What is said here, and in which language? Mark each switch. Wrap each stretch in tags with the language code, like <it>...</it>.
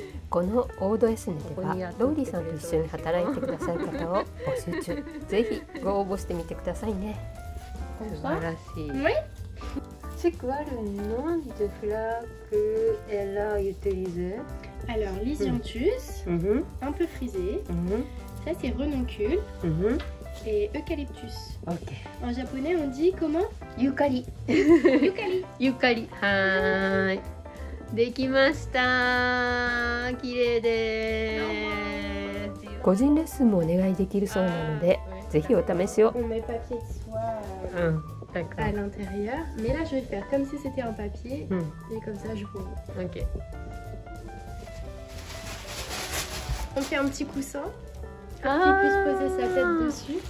<ja>このオードエスネではローリーさんと一緒に働いてください方を募集中。ぜひご応募してみてくださいね。素晴らしい。</ja> <fr>C'est quoi le nom de fleur que elle a utilisé? Alors, l'hyacinthus, un peu frisé. Ça, c'est renoncule. et eucalyptus. Ok. En japonais, on dit comment? Yukari. Yukari.</fr> <ja>Yukari. Hi. できました。綺麗です。個人レッスンもお願いできるそうなので、ぜひお試しを。</ja> <fr>On met papier de soie. D'accord. À l'intérieur, mais là je vais faire comme si c'était en papier et comme ça je roule. Ok. On fait un petit coussin pour qu'il puisse poser sa tête dessus.</fr>